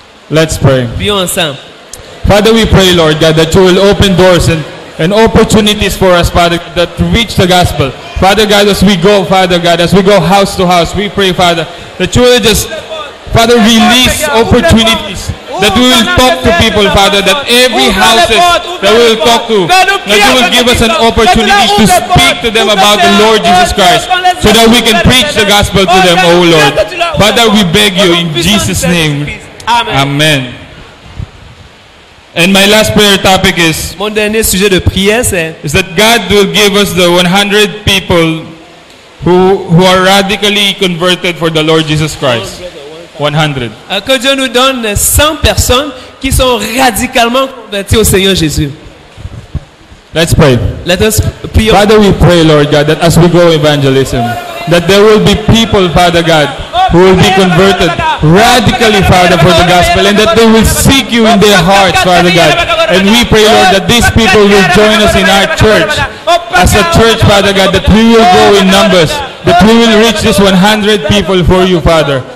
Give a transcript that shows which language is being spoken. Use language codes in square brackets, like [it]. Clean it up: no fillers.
[en] Let's pray. [fr] Prions ensemble. [en] Father, we pray, Lord God, that you will open doors and opportunities for us, Father, that reach the gospel. Father God, as we go, Father God, as we go house to house, we pray, Father, that you will just, Father, release opportunities. That we will talk to people, Father, that every house that we will talk to, that you will give us an opportunity to speak to them about the Lord Jesus Christ, so that we can preach the gospel to them, O Lord. Father, we beg you in Jesus' name. Amen. And my last prayer topic is, [fr] mon dernier sujet de prière, c'est, [en] is that God will give us the 100 people who are radically converted for the Lord Jesus Christ. 100. [fr] Que Dieu nous donne 100 personnes qui sont radicalement converties au Seigneur Jésus. [en] Let's pray. Let us pray. Father, we pray, Lord God, that as we go evangelism, that there will be people, Father God, who will be converted radically, Father, for the gospel, and that they will seek you in their hearts, Father God. And we pray, Lord, that these people will join us in our church. As a church, Father God, that we will grow in numbers, that we will reach these 100 people for you, Father.